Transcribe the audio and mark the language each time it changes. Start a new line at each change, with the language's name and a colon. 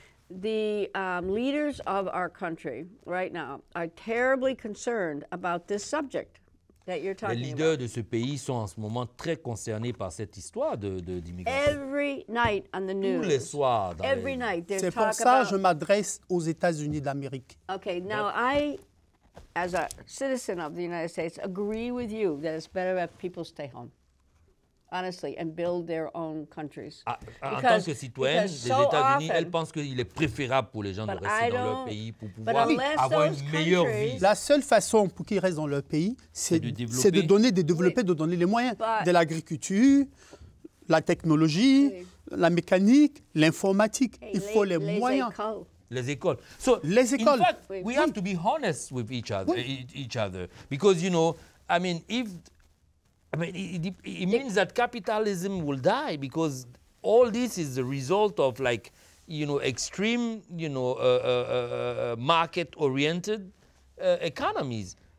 English: The leaders of our country right now are terribly concerned about this subject that you're talking about.
French: Les leaders de ce pays sont en ce moment très concernés par cette histoire d'immigration.
English: Every night on the news.
French: Tous les soirs.
English: Every night they're talking about.
French: C'est pour ça que je m'adresse aux États-Unis d'Amérique.
English: Okay, now as a citizen of the United States, agree with you that it's better if people stay home, honestly, and build their own countries.
French: Because, en tant que citoyenne des États-Unis, elle pense qu'il est préférable pour les gens de rester dans leur pays pour pouvoir avoir une meilleure vie. La seule façon pour qu'ils restent dans leur pays, c'est de donner, de développer, de donner les moyens de l'agriculture, la technologie, la mécanique, l'informatique. Il faut les moyens. Les écoles. So, les écoles.
English: In fact, we have to be honest with each other. Because, you know, it means that capitalism will die because all this is the result of, like, you know, extreme, you know, market-oriented economies.